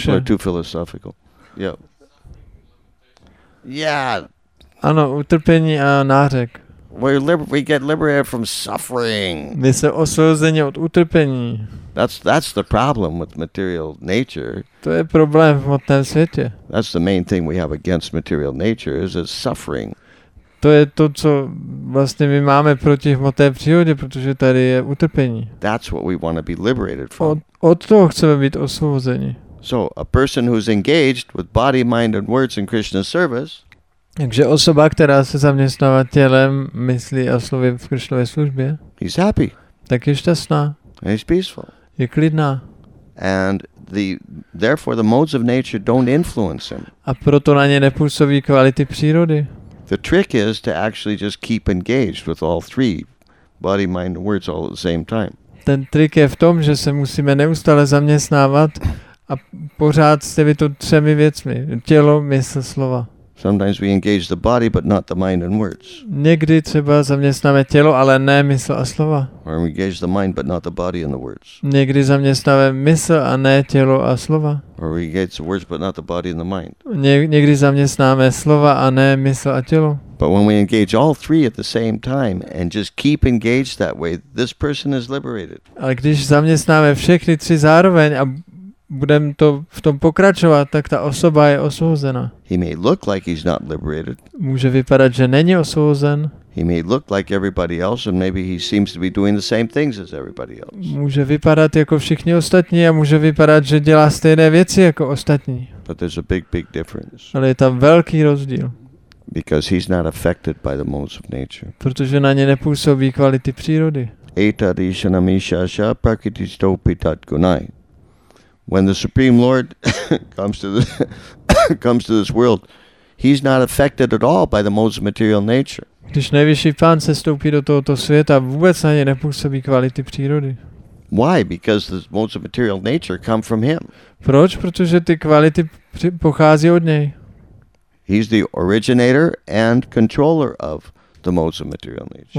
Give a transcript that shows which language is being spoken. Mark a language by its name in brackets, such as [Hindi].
[English] People are too philosophical. Yeah. Yeah. [Czech] Ano, utrpení a nářek. [English] We get liberated from suffering. [Czech] My se osvobozujeme od utrpení. [English] That's the problem with material nature. [Czech] To je problém v hmotném světě. [English] That's the main thing we have against material nature is its suffering. [Czech] To je to, co vlastně my máme proti hmotné přírodě, protože tady je utrpení. [English] That's what we want to be liberated from. [Czech] Od toho chceme být osvobozeni. [English] So, a person who's engaged with body, mind and words in Krishna's service. [Czech] Takže osoba, která se zaměstnává tělem, myslí a slovy v Krišnově službě. [English] He's happy. [Czech] Tak je šťastná. [English] And he's peaceful. [Czech] Je klidná. [English] And therefore the modes of nature don't influence him. [Czech] A proto na ně nepůsobí kvality přírody. [English] The trick is to actually just keep engaged with all three, body, mind, and words all at the same time. [Czech] Ten trik je v tom, že se musíme neustále zaměstnávat a pořád s těmito třemi věcmi, tělo, mysl, slova. [English] Sometimes we engage the body, but not the mind and words. [Czech] Někdy třeba zaměstnáme tělo, ale ne mysl a slova. [English] Or we engage the mind, but not the body and the words. [Czech] Někdy zaměstnáme mysl a ne tělo a slova. [English] Or we engage the words, but not the body and the mind. [Czech] Někdy zaměstnáme slova a ne mysl a tělo. [English] But when we engage all three at the same time and just keep engaged that way, this person is liberated. [Czech] Ale když zaměstnáme všechny tři zároveň a budem to v tom pokračovat, tak ta osoba je osvobozena. [English] He may look like he's not liberated. [Czech] Může vypadat, že není osvobozen. [English] He may look like everybody else and maybe he seems to be doing the same things as everybody else. [Czech] Může vypadat jako všichni ostatní a může vypadat, že dělá stejné věci jako ostatní. [English] But there's a big, big difference. [Czech] Ale je tam velký rozdíl. [English] Because he's not affected by the modes of nature. [Czech] Protože na ně nepůsobí kvality přírody. [Sanskrit] Etadishanamishasha prakritistopitatgunai. [English] When the Supreme Lord comes to this world, he's not affected at all by the modes of material nature. [Czech] Když nejvyšší pán se stoupí do tohoto světa, vůbec na ně nepůsobí kvality přírody. [English] Why? Because the modes of material nature come from him. [Czech] Proč? Protože ty kvality pochází od něj. [English] He's the originator and controller of the modes of material nature.